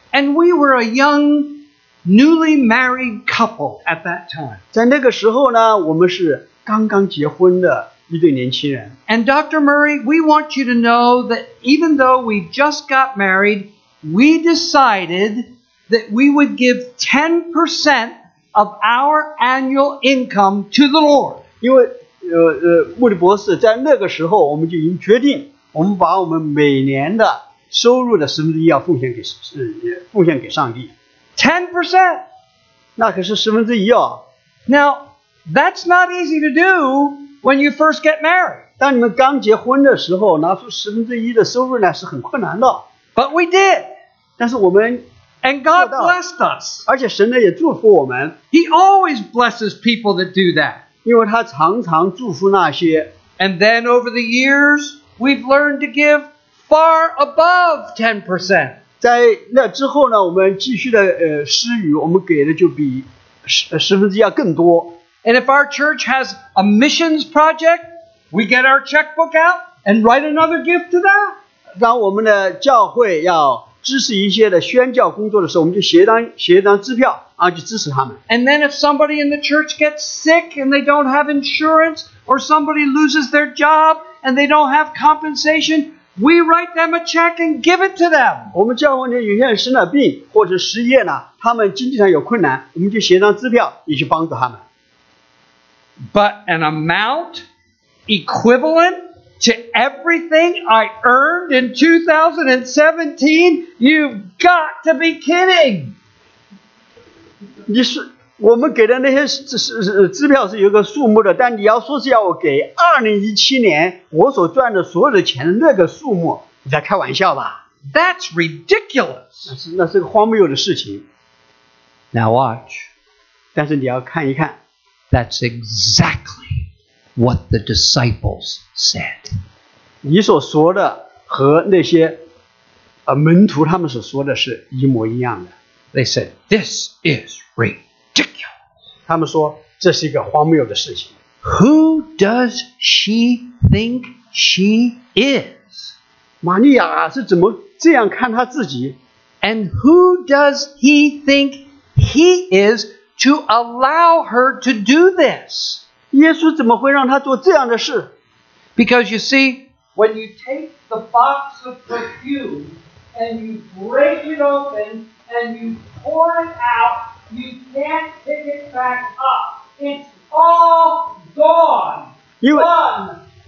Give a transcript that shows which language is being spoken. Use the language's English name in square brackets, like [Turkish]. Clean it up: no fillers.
[English] And we were a young, newly married couple at that time. [Chinese] 在那个时候呢，我们是刚刚结婚的。一对年轻人。 [English] And Dr. Murray, we want you to know that even though we just got married, we decided that we would give 10% of our annual income to the Lord. [Chinese] 因为穆里博士在那个时候我们就已经决定我们把我们每年的收入的1/10要奉献给上帝。 [English] 10%? [Chinese] 那可是1/10哦。 [English] Now, that's not easy to do. When you first get married. [Chinese] 当你们刚结婚的时候拿出十分之一的收入呢是很困难的。 [English] But we did. [Chinese] 但是我们 [English] And God blessed us. [Chinese] 而且神呢也祝福我们。 [English] He always blesses people that do that. [Chinese] 因为他常常祝福那些。 [English] And then over the years, we've learned to give far above 10%. [Chinese] 在那之后呢我们继续的施予我们给的就比十分之一要更多。 [English] And if our church has a missions project, we get our checkbook out and write another gift to that. [Chinese] 当我们的教会要支持一些的宣教工作的时候，我们就写一张支票，然后去支持他们。 [English] And then if somebody in the church gets sick and they don't have insurance, or somebody loses their job and they don't have compensation, we write them a check and give it to them. [Chinese] 我们教会里有些人生了病或者失业呢，他们经济上有困难，我们就写一张支票，也去帮助他们。 [English] But an amount equivalent to everything I earned in 2017? You've got to be kidding! [Chinese] 你是我们给的那些支票是有个数目的，但你要说是要我给2017年我所赚的所有的钱那个数目，你在开玩笑吧 [English] ？That's ridiculous! [Chinese] 那是个荒谬的事情。 [English] Now watch. [Chinese] 但是你要看一看。 [English] That's exactly what the disciples said. [Chinese] 你所说的和那些门徒他们所说的是一模一样的。 [English] They said, this is ridiculous. [Chinese] 他们说这是一个荒谬的事情。 [English] Who does she think she is? [Chinese] 玛利亚是怎么这样看她自己? [English] And who does he think he is? To allow her to do this. [Chinese] 耶稣怎么会让她做这样的事? [English] Because you see, when you take the box of perfume and you break it open and you pour it out, you can't pick it back up. It's all gone. Gone.